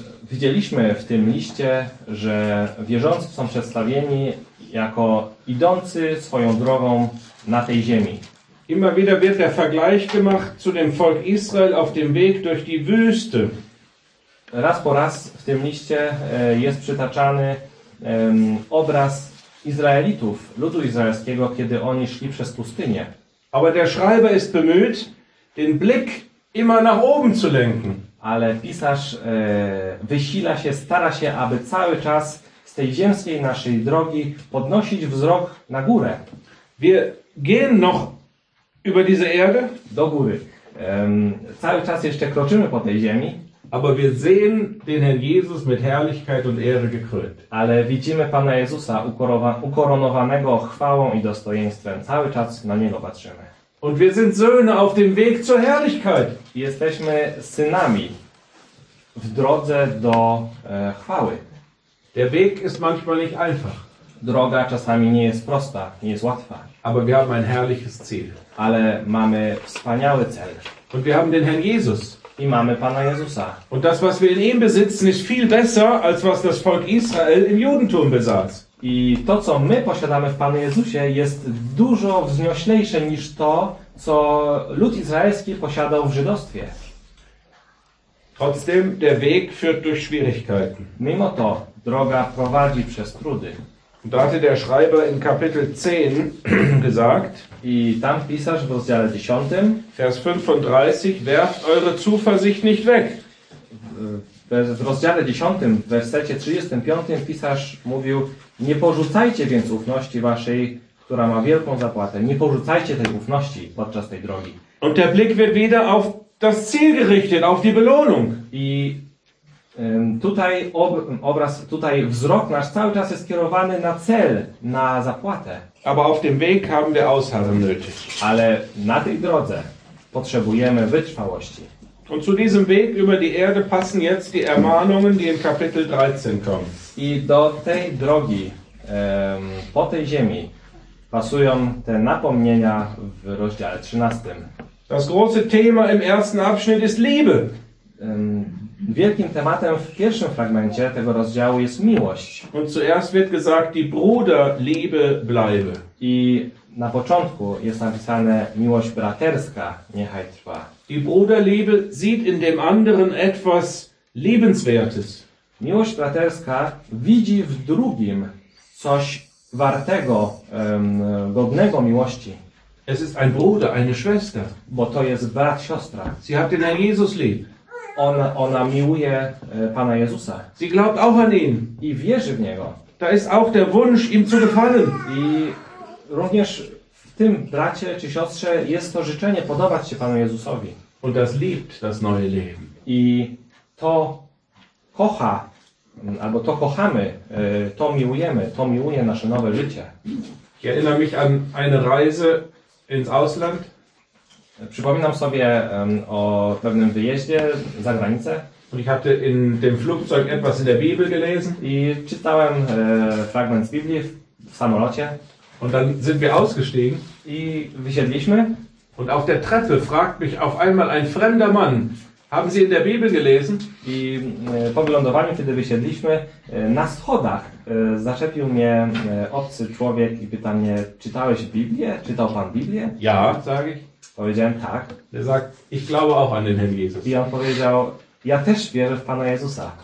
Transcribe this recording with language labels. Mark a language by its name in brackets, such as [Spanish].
[Polish] Widzieliśmy w tym liście, że wierzący są przedstawieni jako idący swoją drogą na tej ziemi. [German] Immer wieder wird der Vergleich gemacht zu dem Volk Israel auf dem Weg durch die Wüste. [Polish] Raz po raz w tym liście jest przytaczany obraz Izraelitów, ludu izraelskiego, kiedy oni szli przez pustynię. [German] Aber der Schreiber ist bemüht, den Blick immer nach oben zu lenken. [Polish] Ale pisarz wysila się, stara się, aby cały czas z tej ziemskiej naszej drogi podnosić wzrok na górę. [German] Wir gehen noch über diese Erde. [Polish] Do góry. Cały czas jeszcze kroczymy po tej ziemi. [German] Aber wir sehen den Herrn Jesus mit Herrlichkeit und Ehre gekrönt. [Polish] Ale widzimy Pana Jezusa ukoronowanego chwałą i dostojeństwem. Cały czas na Niego patrzymy. [German] Und wir sind Söhne auf dem Weg zur Herrlichkeit. [Polish] Jesteśmy synami w drodze do chwały. [German] Der Weg ist manchmal nicht einfach. [Polish] Droga czasami nie jest prosta, nie jest łatwa. [German] Aber wir haben ein herrliches Ziel. [Polish] Ale mamy wspaniały cel. [German] Und wir haben den Herrn Jesus. [Polish] I mamy Pana Jezusa. [German] Und das, was wir in ihm besitzen, ist viel besser, als was das Volk Israel im Judentum besaß. [Polish] I to, co my posiadamy w Panu Jezusie, jest dużo wznioślejsze niż to, co lud izraelski posiadał w żydostwie. [German] Trotzdem, der Weg führt durch Schwierigkeiten. [Polish] Mimo to, droga prowadzi przez trudy. [German] Und da hatte der Schreiber in Kapitel 10 gesagt, [Polish] i tam pisarz w rozdziale 10, [German] Vers 35, werft eure Zuversicht nicht weg. [Polish] W rozdziale 10, w wersecie 35 pisarz mówił: nie porzucajcie więc ufności waszej, która ma wielką zapłatę. Nie porzucajcie tej ufności podczas tej drogi. [German] Und der Blick wird wieder auf das Ziel gerichtet, auf die Belohnung. [Polish] I tutaj obraz, tutaj wzrok nasz cały czas jest skierowany na cel, na zapłatę. [German] Aber auf dem Weg haben wir Ausharren nötig. [Polish] Ale na tej drodze potrzebujemy wytrwałości. [German] Und zu diesem Weg über die Erde passen jetzt die Ermahnungen, die in Kapitel 13 kommen. [Polish] I do tej drogi, po tej ziemi, pasują te napomnienia w rozdziale 13. [German] Das große Thema im ersten Abschnitt ist Liebe. [Polish] Wielkim tematem w pierwszym fragmencie tego rozdziału jest miłość. [German] Und zuerst wird gesagt, die Bruderliebe bleibe. [Polish] I na początku jest napisane, miłość braterska niechaj trwa. [German] Die Bruderliebe sieht in dem anderen etwas Liebenswertes. [Polish] Miłość braterska widzi w drugim coś wartego, godnego miłości. [German] Es ist ein Bruder, eine Schwester. [Polish] Bo to jest brat, siostra. [German] Sie hat den Herrn Jesus lieb. [Polish] Ona miłuje Pana Jezusa. [German] Sie glaubt auch an ihn. [Polish] I wierzy w Niego. [German] Da ist auch der Wunsch, ihm zu gefallen. [Polish] I również w tym bracie czy siostrze jest to życzenie podobać się Panu Jezusowi. [German] Und das liebt das neue Leben. [Polish] I to kocha, albo to kochamy, to miłujemy, to miłuje nasze nowe życie. [German] Ich erinnere mich an eine Reise ins Ausland. [Polish] Przypominam sobie o pewnym wyjeździe za granicę. [German] Und ich hatte in dem Flugzeug etwas in der Bibel gelesen. [Polish] I czytałem fragment z Biblii w samolocie. [German] Und dann sind wir ausgestiegen. [Polish] I wysiedliśmy. [German] Und auf der Treppe fragt mich auf einmal ein fremder Mann: Haben Sie in der Bibel gelesen? [Polish] I po wylądowaniu, kiedy wysiedliśmy, na schodach zaczepił mnie obcy człowiek i pyta mnie: Czytałeś Biblię? Czytał Pan Biblię? [German] Ja, sage ich. [Polish] Powiedziałem tak. [German] Er sagt, ich glaube auch an den Herrn Jesus. [Polish] I on powiedział, ja też wierzę w Pana Jezusa.